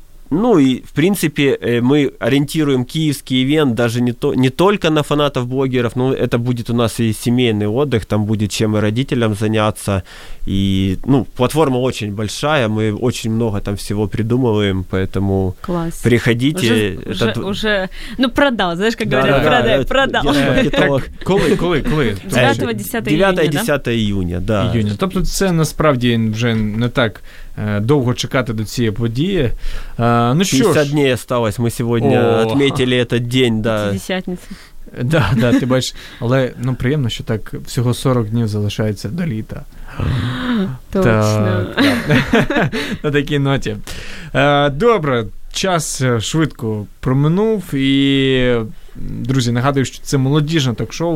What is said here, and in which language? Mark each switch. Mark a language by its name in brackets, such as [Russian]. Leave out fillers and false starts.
[Russian] Ну и, в принципе, мы ориентируем киевский ивент даже не только на фанатов блогеров, но это будет у нас и семейный отдых, там будет чем и родителям заняться. И, платформа очень большая, мы очень много там всего придумываем, поэтому класс. Приходите. Продал, знаешь, как говорят, продал. [Ukrainian] Коли? [Russian] 9-10 июня, да? 9-10 июня, да. [Ukrainian] Тобто це насправді вже не так довго чекати до цієї події. [Russian] 60 дней осталось, мы сегодня отметили этот день, да. Пятидесятница. [Ukrainian] Да, ты бачиш. Але приємно, що так всього 40 днів залишається до літа. Точно. На такій ноті. Добре, час швидко проминув, і, друзі, нагадую, що це молодіжне ток-шоу.